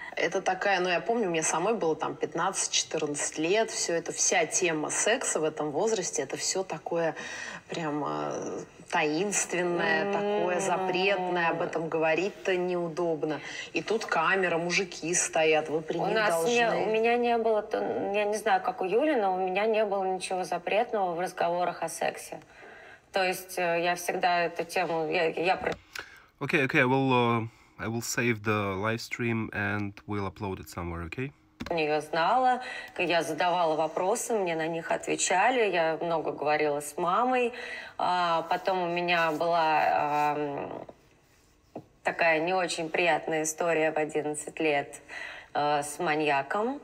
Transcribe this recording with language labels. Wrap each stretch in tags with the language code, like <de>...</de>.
<ru>Это такая, ну я помню, у меня самой было там 15-14 лет, все это, вся тема секса в этом возрасте, это все такое прям таинственное, такое запретное, об этом говорить-то неудобно. И тут камера, мужики стоят, вы при них должны. У меня не было, я не знаю, как у Юли, но у меня не было ничего запретного в разговорах о сексе. То есть я всегда эту тему...</ru> <en>Okay, I will save the live stream and we'll upload it somewhere, okay?</en> <ru>Я знала, я задавала вопросы, мне на них отвечали, я много говорила с мамой. Потом у меня была такая не очень приятная история в 11 лет с маньяком.</ru>